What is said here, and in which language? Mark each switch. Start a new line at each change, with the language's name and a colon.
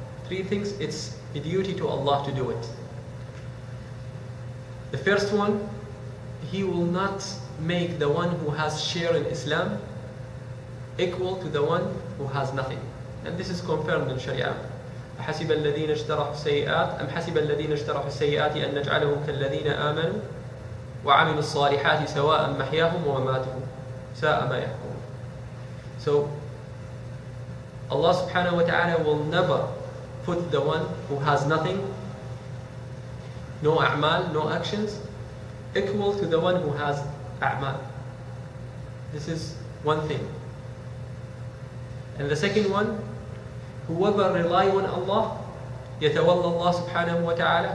English: Three things, it's a duty to Allah to do it. The first one, he will not make the one who has share in Islam equal to the one who has nothing. And this is confirmed in Sharia.
Arabic: أحسب الذين اجترحوا السيئات أم حسب الذين اجترحوا السيئات أن نجعلهم كالذين آمنوا وعملوا الصالحات سواء محياهم ومماتهم ساء ما يحكمون.
English: So Allah subhanahu wa ta'ala will never put the one who has nothing, no a'mal, no actions, equal to the one who has a'mal. This is one thing. And the second one, whoever relies on Allah,
Arabic: يَتَوَلَّ اللَّهُ سُبْحَانَهُ وَتَعَالَى.